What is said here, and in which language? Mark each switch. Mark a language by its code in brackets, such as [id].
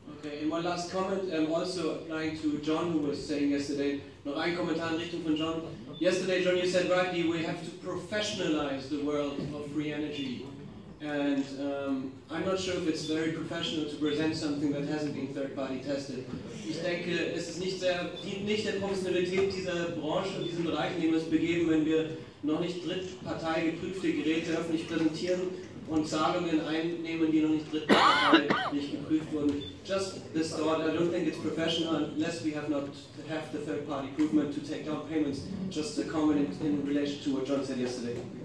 [en] Okay, and one last comment, also applying to John, who was saying yesterday, [de] noch ein Kommentar in Richtung von John. [en] Yesterday, John, you said rightly, we have to professionalize the world of free energy. And I'm not sure if it's very professional to present something that hasn't been third-party tested. [de] Ich denke, es ist nicht sehr, nicht der Professionalität dieser Branche, diesem Bereich, in dem wir es begeben, wenn wir noch nicht Drittpartei geprüfte Geräte öffentlich präsentieren und Zahlungen einnehmen, die noch nicht Drittpartei nicht geprüft wurden. [en] Just this thought, I don't think it's professional unless we have not have the third party equipment to take down payments. Just a comment in relation to what John said yesterday.